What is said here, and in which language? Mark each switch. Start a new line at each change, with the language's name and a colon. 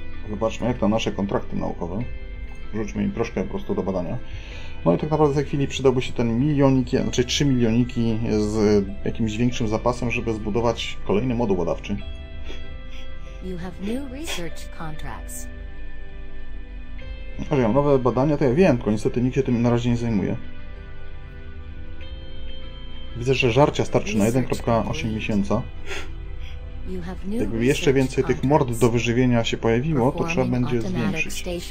Polish: Zobaczmy, jak to nasze kontrakty naukowe. Rzućmy im troszkę po prostu do badania. No i tak naprawdę za chwilę przydałby się ten milionik, znaczy 3 milioniki z jakimś większym zapasem, żeby zbudować kolejny moduł badawczy.
English: You have new research contracts.
Polish: Ale ja mam nowe badania, to ja wiem, tylko niestety nikt się tym na razie nie zajmuje. Widzę, że żarcia starczy na 1,8 miesiąca. Jakby jeszcze więcej tych mord do wyżywienia się pojawiło, to trzeba będzie zwiększyć.